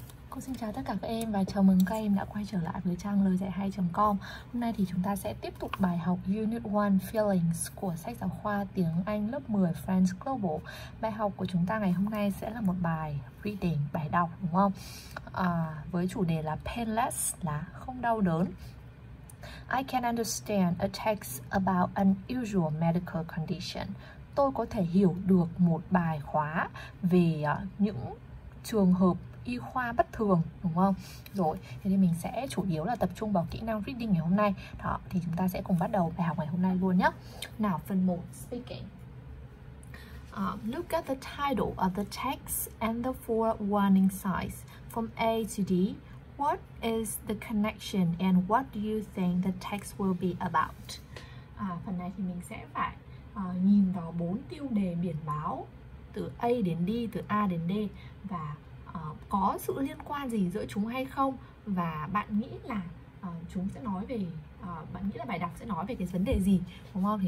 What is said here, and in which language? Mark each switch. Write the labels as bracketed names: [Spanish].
[Vietnamese] Cô xin chào tất cả các em và chào mừng các em đã quay trở lại với trang lời dạy hay.com. Hôm nay thì chúng ta sẽ tiếp tục bài học Unit 1 Feelings của sách giáo khoa tiếng Anh lớp 10 French Global. Bài học của chúng ta ngày hôm nay sẽ là một bài reading, bài đọc đúng không? Với chủ đề là painless, là không đau đớn. [English] I can understand a text about an unusual medical condition. [Vietnamese] Tôi có thể hiểu được một bài khóa về những trường hợp y khoa bất thường, đúng không? Rồi, thế thì mình sẽ chủ yếu là tập trung vào kỹ năng reading ngày hôm nay. Đó, thì chúng ta sẽ cùng bắt đầu bài học ngày hôm nay luôn nhé. Nào, phần 1, speaking. [English] Look at the title of the text and the four warning signs from A to D. What is the connection and what do you think the text will be about? [Vietnamese] Phần này thì mình sẽ phải nhìn vào bốn tiêu đề biển báo từ A đến D, từ A đến D và có sự liên quan gì giữa chúng hay không, và bạn nghĩ là chúng sẽ nói về bạn nghĩ là bài đọc sẽ nói về cái vấn đề gì, đúng không?